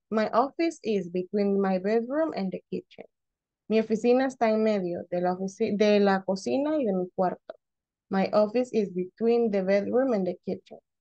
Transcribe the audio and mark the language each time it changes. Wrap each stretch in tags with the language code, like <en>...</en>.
<en>My office is between my bedroom and the kitchen.</en> <es>Mi oficina está en medio de la cocina y de mi cuarto.</es> <en>My office is between the bedroom and the kitchen.</en>